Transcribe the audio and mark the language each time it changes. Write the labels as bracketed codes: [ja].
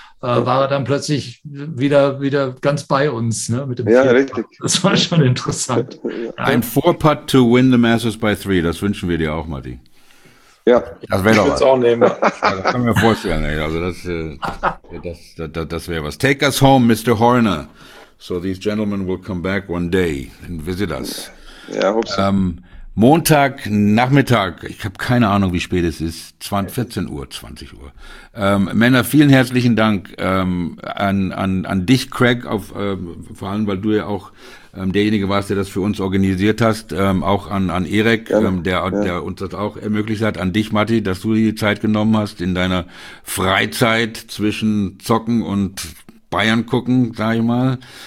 [de] War er dann plötzlich wieder ganz bei uns, ne? Mit dem Vierpart. Richtig. Das war schon interessant. Ein 4-Putt [en] to win the Masters by 3, [de] das wünschen wir dir auch, Matti. Ja, das wäre doch was. Ich würde es auch nehmen. Also, das kann man mir vorstellen, ey. Also das wäre was. [en] Take us home, Mr. Horner. So these gentlemen will come back one day and visit us. [de] Ja, hoffe ich. Montag Nachmittag, ich habe keine Ahnung, wie spät es ist, 14 Uhr, 20 Uhr. Männer, vielen herzlichen Dank an dich, Craig, vor allem, weil du ja auch derjenige warst, der das für uns organisiert hast, auch an Erik, der uns das auch ermöglicht hat, an dich, Matti, dass du die Zeit genommen hast in deiner Freizeit zwischen Zocken und Bayern gucken, sage ich mal.